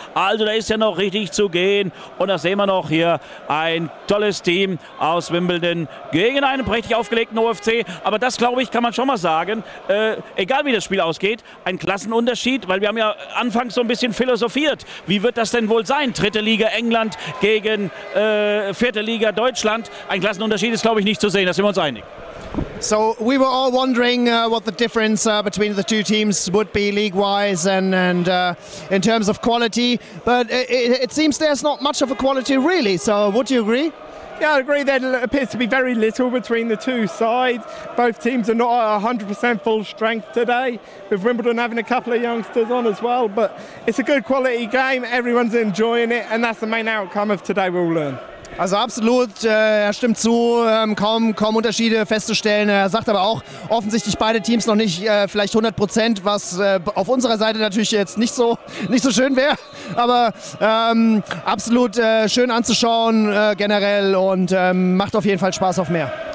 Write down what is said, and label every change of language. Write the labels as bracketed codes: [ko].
[de] Also da ist ja noch richtig zu gehen und da sehen wir noch hier ein tolles Team aus Wimbledon gegen einen prächtig aufgelegten OFC. Aber das glaube ich, kann man schon mal sagen, egal wie das Spiel ausgeht, ein Klassenunterschied, weil wir haben ja anfangs so ein bisschen philosophiert. Wie wird das denn wohl sein? Dritte Liga England gegen vierte Liga Deutschland. Ein Klassenunterschied ist, glaube ich, nicht zu sehen. Da sind wir uns einig. [en] So we were all wondering what the difference between the two teams would be league-wise and in terms of quality. But it seems there's not much of a quality really. So would you agree? Yeah, I agree. There appears to be very little between the two sides. Both teams are not at 100% full strength today, with Wimbledon having a couple of youngsters on as well. But it's a good quality game. Everyone's enjoying it. And that's the main outcome of today, we'll learn. [de] Also absolut, er stimmt zu, kaum Unterschiede festzustellen. Er sagt aber auch, offensichtlich beide Teams noch nicht vielleicht 100%, was auf unserer Seite natürlich jetzt nicht so schön wäre. Aber absolut schön anzuschauen generell und macht auf jeden Fall Spaß auf mehr.